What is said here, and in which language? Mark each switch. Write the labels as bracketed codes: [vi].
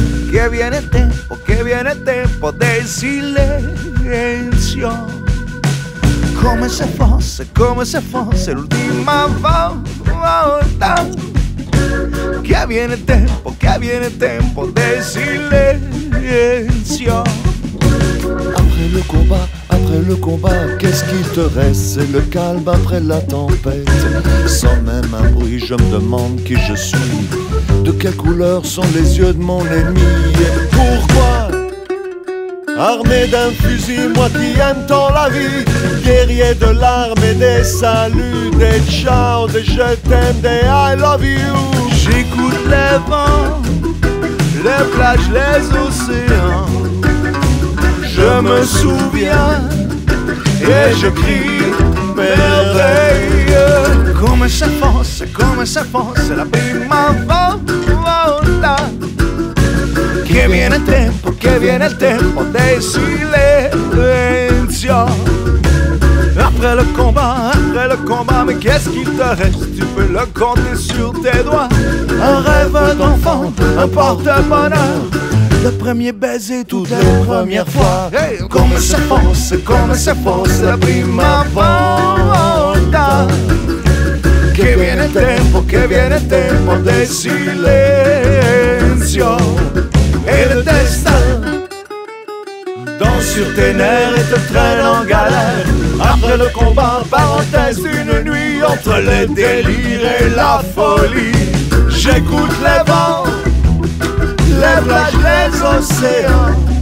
[it] Che viene tempo del silenzio. Come se fosse l'ultima volta. Che viene tempo del silenzio. [fr] Après le combat, après le combat, qu'est-ce qui te reste? C'est le calme après la tempête. Sans même un bruit, je me demande qui je suis. De quelle couleur sont les yeux de mon ennemi? Et pourquoi, armé d'un fusil, moi qui aime tant la vie, guerrier de larmes et des saluts, des ciao, des je t'aime, des [en] I love you. [fr] J'écoute les vents, les plages, les océans. Je me souviens et je crie merveille. [it] Come se fosse la prima volta. Che viene il tempo del silenzio. [fr] Après le combat, mais qu'est-ce qu'il te reste? Tu peux le compter sur tes doigts. Un rêve d'enfant, un porte-bonheur. Le premier baiser toutes les premières fois. Comme ça [it] fosse la prima volta. Che viene tempo del silenzio. [fr] Et le destin danse sur tes nerfs et te traîne en galère. Après le combat, parenthèse, une nuit entre les délires et la folie. J'écoute les vents, les plages, les océans.